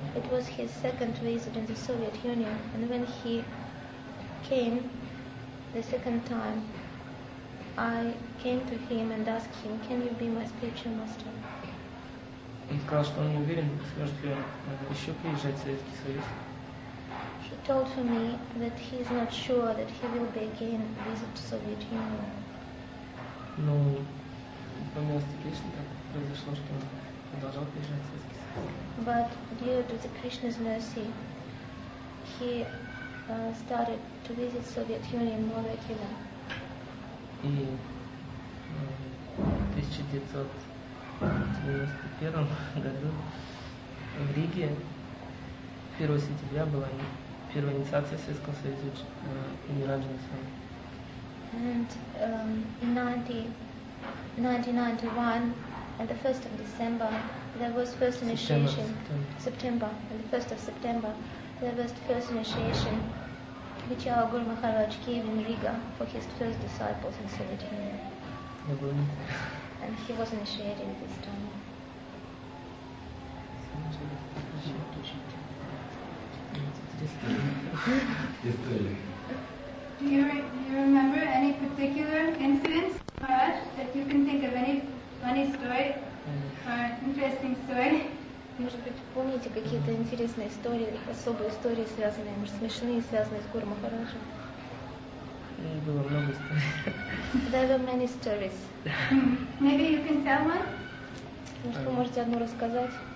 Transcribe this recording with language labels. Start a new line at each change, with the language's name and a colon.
English: It was his second visit in the Soviet Union, and when he came the second time, I came to him and asked him, can you be my spiritual master?
Russian: Он сказал, что он не уверен, сможет ли он еще приезжать в Советский Союз.
English: He told to me that he is not sure that he will be again visit to Soviet Union.
Russian: Ну, по милости Кришны так произошло, что он продолжал приезжать в Советский Союз.
English: But due to the Krishna's mercy, he started to visit Soviet Union more regularly.
Russian: И в 1991 году в Риге 1 сентября была первая инициация Советского Союза и Нираджана Свами.
English: And in 1991, on the 1st of December, there was first initiation. September. On the 1st of September, there was the first initiation. Which our Guru Maharaj gave in Riga for his first disciples in Soviet Union. And he was initiated this time. Do you remember any particular incidents, Maharaj, that you can think of any funny story or interesting story?
Russian: Может быть, помните какие-то интересные истории, особые истории, связанные, может, смешные, связанные с Гуру Махараджем? Было много историй.
English: There were many stories. Maybe you can tell one?
Russian: Может, вы можете одну рассказать?